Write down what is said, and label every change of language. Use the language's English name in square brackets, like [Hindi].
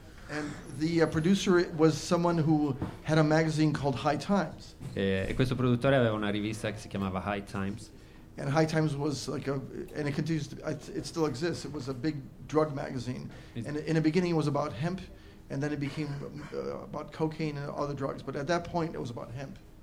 [English] And the producer was someone who had a magazine called High Times. [Italian] E questo produttore aveva una rivista che si chiamava High Times. [English] And High Times was like a, and it continues to, it still exists. It was a big drug magazine. And in the beginning, it was about hemp, and then it became about cocaine and other drugs. But at that point, it was about hemp.